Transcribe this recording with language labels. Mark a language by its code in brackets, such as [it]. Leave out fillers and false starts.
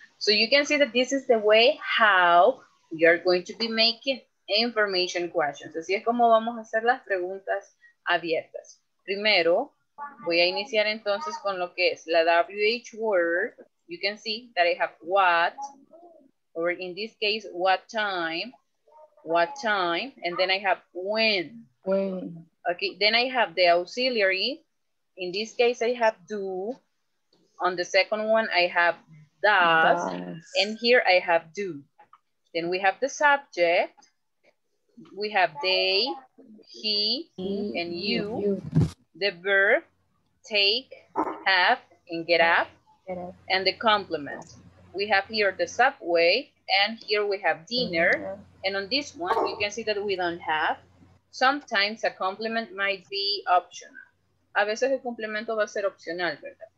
[en] So you can see that this is the way how you're going to be making information questions. [es] Así es como vamos a hacer las preguntas abiertas. Primero, voy a iniciar entonces con lo que es la WH word. [en] You can see that I have what, or in this case, what time, and then I have when. When. Okay, then I have the auxiliary. In this case, I have do. On the second one, I have does. And here I have do. Then we have the subject. We have they, he, and you. The verb, take, have, and get up. And the complement. We have here the subway, and here we have dinner. And on this one, you can see that we don't have. Sometimes a complement might be optional. [es] A veces el complemento va a ser opcional, ¿verdad?